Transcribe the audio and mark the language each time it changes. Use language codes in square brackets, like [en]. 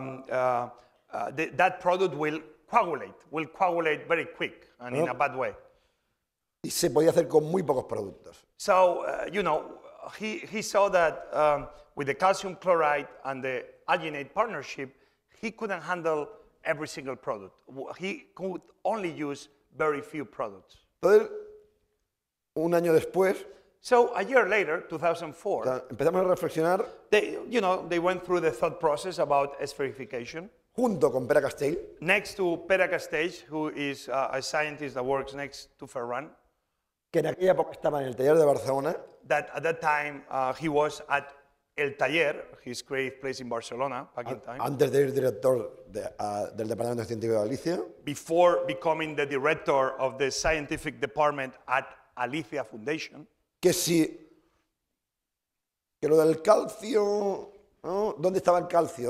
[en] That product will coagulate very quick and no. In a bad way. [es] Y se podía hacer con muy pocos productos. [en] So, you know, he saw that with the calcium chloride and the alginate partnership, he couldn't handle every single product. He could only use very few products. [es] Entonces, un año después. [en] So, a year later, 2004. [es] Empezamos a reflexionar. [en] They, you know, they went through the thought process about spherification. [es] Junto con Pere Castell. [en] Next to Pere Castell, who is a scientist that works next to Ferran. [es] Que en aquella época estaba en el taller de Barcelona. [en] That at that time he was at el taller, his creative place in Barcelona, back in time. [es] Antes de ir director de, del Departamento Científico de Alicia. [en] Before becoming the director of the scientific department at Alicia Foundation. [es] Que si, que lo del calcio, ¿no? ¿Dónde estaba el calcio?